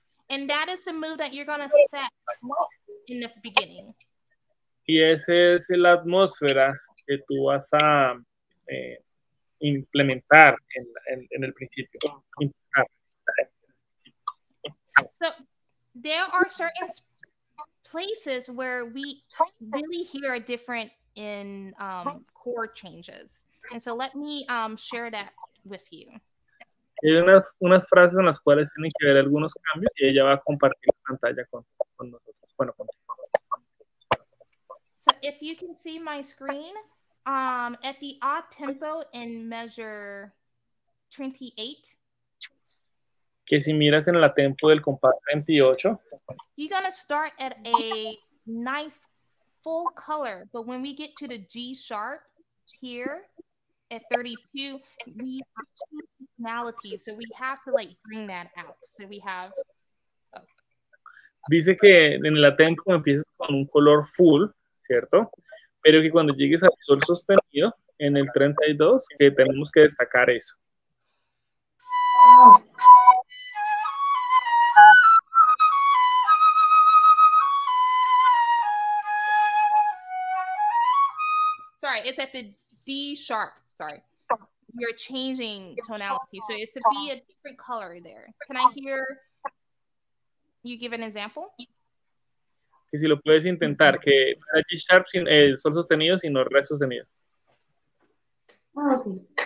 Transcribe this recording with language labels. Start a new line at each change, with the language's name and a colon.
English: And that is the mood that you're going to set in the beginning.
Spanish: Y esa es la atmósfera que tú vas a implementar en el principio.
English: So there are certain places where we really hear a difference in chord changes. And so let me share that with you.
Spanish: Hay unas frases en las cuales tienen que haber algunos cambios y ella va a compartir con pantalla con nosotros. Bueno, con...
English: So if you can see my screen, at the odd tempo in measure 28.
Spanish: Que si miras en la tempo del compás 28.
English: You're going to start at a nice full color, but when we get to the G sharp here at 32, we have two tonalities, so we have to like bring that out. So we have...
Spanish: Dice que en el atempo empiezas con un color full, ¿cierto? Pero que cuando llegues al sol sostenido, en el 32, que tenemos que destacar eso.
English: Sorry, it's at the D sharp, sorry. You're changing tonality, so it's to be a different color there. Can I hear... You give an example?
Spanish: Que si lo puedes intentar, que para G sharp sin el sol sostenido, sino re sostenido. Oh, okay.